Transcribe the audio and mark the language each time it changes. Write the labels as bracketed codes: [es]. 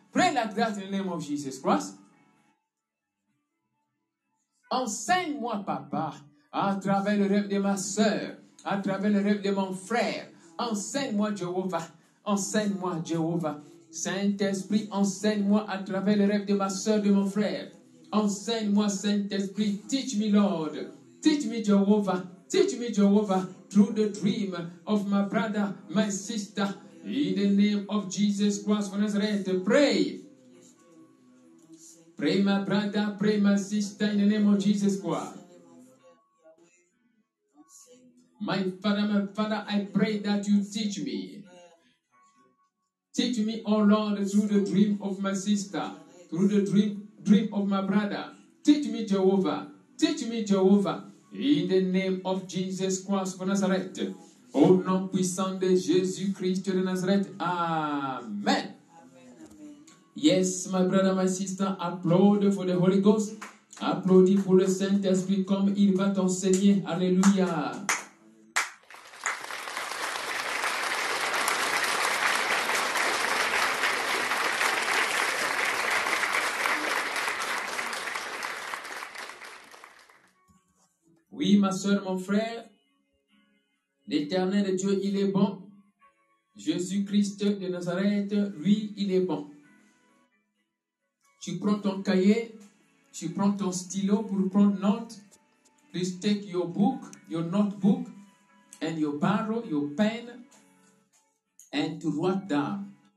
[en] Pray like that in the name of Jesus Christ. [fr] Enseigne-moi, papa, à travers le rêve de ma soeur, à travers le rêve de mon frère. Enseigne-moi, Jéhovah. Enseigne-moi, Jéhovah. Saint-Esprit, enseigne-moi à travers le rêve de ma soeur, de mon frère. Enseigne-moi, Saint-Esprit. [en] Teach me, Lord. Teach me, Jéhovah. Teach me, Jéhovah, through the dream of my brother, my sister. In the name of Jesus Christ of Nazareth, pray. Prema, Prada, Prema, Sista, in the name of Jesus Christ. My Father, I pray that you teach me. Teach me, oh Lord, through the dream of my sister, through the dream of my brother. Teach me, Jehovah. Teach me, Jehovah. In the name of Jesus Christ of Nazareth. [fr] Au nom puissant de Jésus Christ de Nazareth. Amen. [en] Yes, my brother, my sister, applaud for the Holy Ghost. [fr] Applaudis pour le Saint-Esprit comme il va t'enseigner. Alléluia. Oui, ma soeur, mon frère, l'Éternel Dieu, il est bon. Jésus-Christ de Nazareth, lui, il est bon. Tu prends ton cahier, tu prends ton stylo pour prendre note. [en] Please take your book, your notebook, and your barrel, your pen, and to write down.